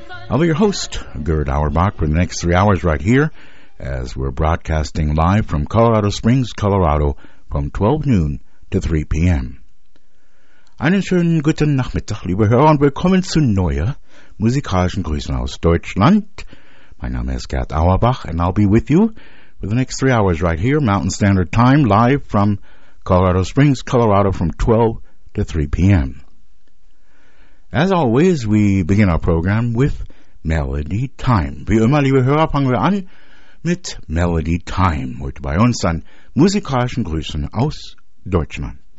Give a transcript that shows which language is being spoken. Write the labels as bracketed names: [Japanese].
[English] I'll be your host, Gerd Auerbach, for the next 3 hours right here as we're broadcasting live from Colorado Springs, Colorado, from 12 noon to 3 p.m. [German] Einen schönen guten Nachmittag, liebe Hörer, und willkommen zu neuer musikalischen Grüßen aus Deutschland. [English] My name is Gerd Auerbach, and I'll be with you for the next 3 hours right here, Mountain Standard Time, live from Colorado Springs, Colorado, from 12 to 3 p.m. As always, we begin our program with Melody Time. [German] Wie immer, liebe Hörer, fangen wir an mit Melody Time. Heute bei uns an musikalischen Grüßen aus Deutschland.